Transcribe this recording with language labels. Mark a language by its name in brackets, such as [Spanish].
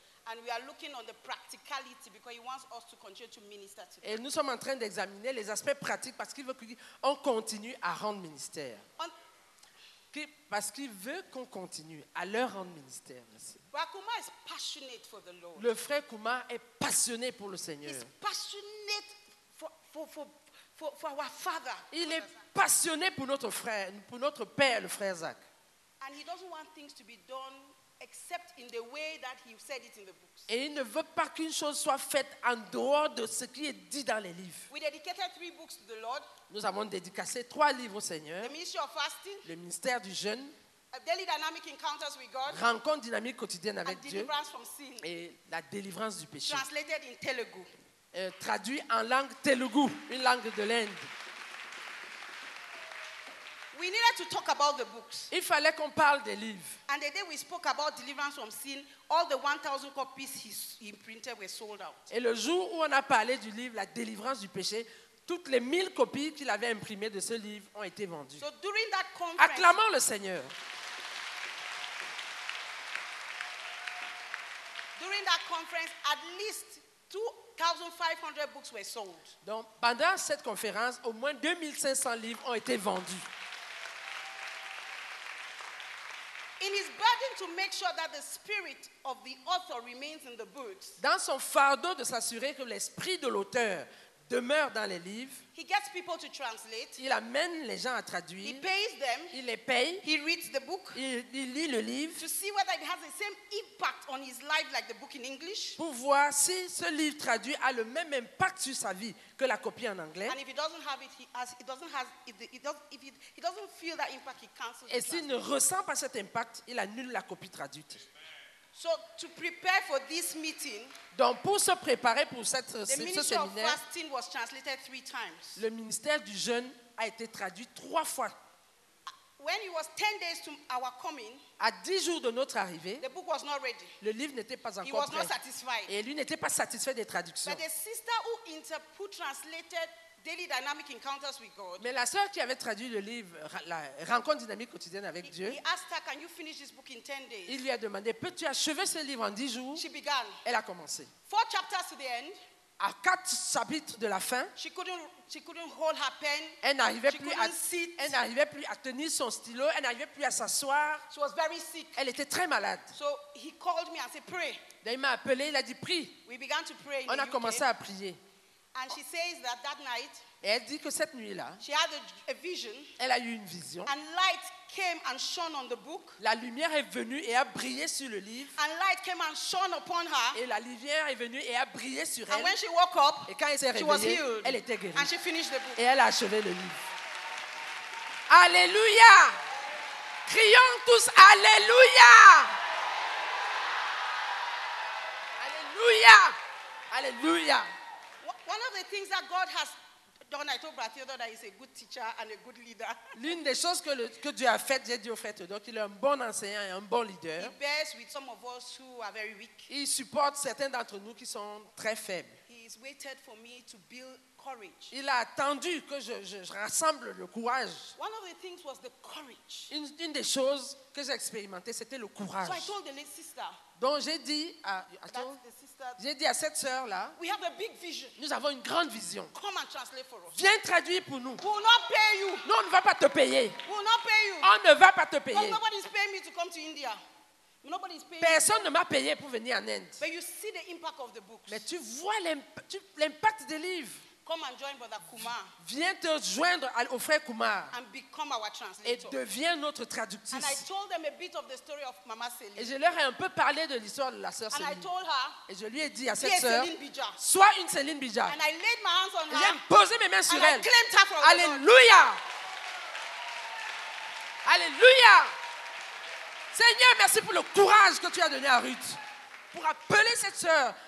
[English] And we are looking on the practicality because he wants us to continue to minister to them. [French] Et nous sommes en train d'examiner les aspects pratiques parce qu'il veut qu'on continue à rendre ministère. Parce qu'il veut qu'on continue à leur rendre ministère. [English] Brother Kuma is passionate for the Lord. [French] Le frère Kuma est passionné pour le Seigneur. [English] He's passionate for our father. [French] Il est passionné pour notre frère, pour notre père, le frère Zach. [English] And he doesn't want things to be done except in the way that he said it in the books. [French] Et il ne veut pas qu'une chose soit faite en dehors de ce qui est dit dans les livres. [English] We dedicated 3 books to the Lord. [French] Nous avons dédicacé 3 livres au Seigneur. [English] The ministry of fasting. [French] Le ministère du jeûne. [English] A daily dynamic encounters with God. [French] Rencontre dynamique quotidienne avec Dieu. [English] And deliverance from sin. [French] Et la délivrance du péché. [English] Translated in Telugu. [French] Traduit en langue Telugu, une langue de l'Inde. [English] We needed to talk about the books. [French] Il fallait qu'on parle des livres. [English] And the day we spoke about deliverance from sin, all the 1,000 copies he printed were sold out. [French] Et le jour où on a parlé du livre La délivrance du péché, toutes les 1,000 copies qu'il avait imprimées de ce livre ont été vendues. [English] So during that conference, [French] acclamons le Seigneur. [English] During that conference, at least 2,500 books were sold. [French] Donc, pendant cette conférence, au moins 2,500 livres ont été vendus. [English] In his burden to make sure that the spirit of the author remains in the books. [French] Dans son fardeau de s'assurer que l'esprit de l'auteur demeure dans les livres. [English] He gets people to translate. [French] Il amène les gens à traduire. [English] He pays them. [French] Il les paye. [English] He reads the book. [French] Il lit le livre. [English] To see whether it has the same impact on his life like the book in English. [French] Pour voir si ce livre traduit a le même impact sur sa vie que la copie en anglais. [English] And if he doesn't have it, he doesn't feel that impact, he cancels. [French] Et s'il ne ressent pas cet impact, il annule la copie traduite. [English] So to prepare for this meeting, [French] donc pour se préparer pour ce séminaire, [English] of fasting was translated three times. [French] Le ministère du jeûne a été traduit trois fois. [English] When it was 10 days to our coming, [French] à 10 jours de notre arrivée, [English] the book was not ready. [French] Le livre n'était pas encore [English] he was [French] prêt. [English] Not satisfied. [French] Et lui n'était pas satisfait des traductions. [English] But the sister who translated Daily Dynamic Encounters with God. [French] Mais la sœur qui avait traduit le livre, la rencontre dynamique quotidienne avec Dieu, [English] he asked her, can you finish this book in 10 days? [French] Il lui a demandé, peux-tu achever ce livre en 10 jours? [English] She began. [French] Elle a commencé. [English] Four chapters to the end. [French] À quatre chapitres de la fin, [English] she couldn't hold her pen. [French] Elle n'arrivait plus à tenir son stylo. Elle n'arrivait plus à s'asseoir. [English] She was very sick. [French] Elle était très malade. [English] So he called me and said, pray. [French] Donc il m'a appelé, il a dit, prie. [English] We began to pray. [French] On a commencé à prier. [English] And she says that that night, [French] et elle dit que cette nuit-là, [English] she had a vision, [French] elle a eu une vision. [English] And light came and shone on the book. [French] La lumière est venue et a brillé sur le livre. [English] And light came and shone upon her. [French] Et la lumière est venue et a brillé sur [English] and [French] elle. [English] When she woke up, [French] et quand elle s'est [English] she was healed. [French] Elle était guérie. [English] And she finished the book. [French] Et elle a achevé le livre. Alléluia! Crions tous Alléluia! Alléluia! Alléluia! [English] One of the things that God has done, I told Brother that he's a good teacher and a good leader. [French] L'une des choses que Dieu a faites, j'ai dit au frère donc il est un bon enseignant et un bon leader. [English] He bears with some of us who are very weak. [French] Il supporte certains d'entre nous qui sont très faibles. [English] He has waited for me to build courage. [French] Il a attendu que je rassemble le courage. [English] One of the things was the courage. [French] Une des choses que j'ai expérimenté, c'était le courage. [English] So I told the little sister. [French] Donc j'ai dit à cette sœur là, [English] we have a big vision. [French] Nous avons une grande vision. [English] Come and translate for us. [French] Viens traduire pour nous. [English] We will not pay you. [French] Nous, on ne va pas te payer. [English] We will not pay you. [French] On ne va pas te payer. [English] But nobody is paying me to come to India. Nobody is paying. [French] Personne ne m'a payé pour venir en Inde. [English] But you see the impact of the books. [French] Mais tu vois l'impact des livres. [English] Come and join Brother Kumar. [French] Viens te joindre au frère Kumar. [English] And become our translator. [French] Et deviens notre traductrice. [English] And I told them a bit of the story of Mama Céline. [French] Et je leur ai un peu parlé de l'histoire de la sœur Céline. [English] And I told her, [French] et je lui ai dit à cette sœur, Céline Bija. Sois une Céline Bija. [English] And I laid my hands on her. [French] J'ai posé mes mains sur [English] and [French] elle. [English] I claimed her from [French] Alléluia. [English] The Lord. [French] Alléluia. Seigneur, merci pour le courage que tu as donné à Ruth. Pour appeler cette sœur.